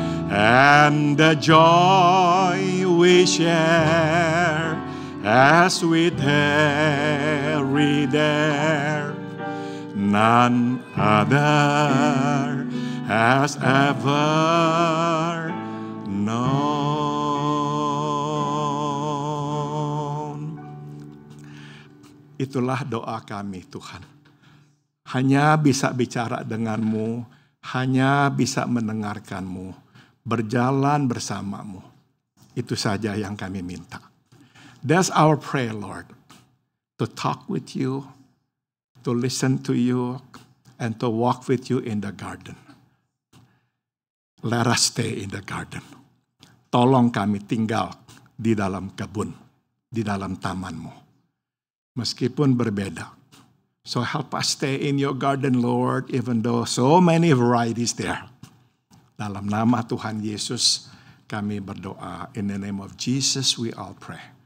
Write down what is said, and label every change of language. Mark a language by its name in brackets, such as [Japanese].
[English] and the joy we share as we tarry there, none other has ever known. [Indonesian] Itulah doa kami, Tuhan. Hanya bisa bicara dengan-Mu, hanya bisa mendengarkan-Mu, berjalan bersama-Mu. Itu saja yang kami minta. [English] That's our prayer, Lord, to talk with you, to listen to you, and to walk with you in the garden. Let us stay in the garden. [Indonesian] Tolong kami tinggal di dalam kebun, di dalam taman-Mu, meskipun berbeda. [English] So help us stay in your garden, Lord, even though so many varieties there. [Indonesian] Dalam nama Tuhan Yesus, kami berdoa. [English] In the name of Jesus, we all pray.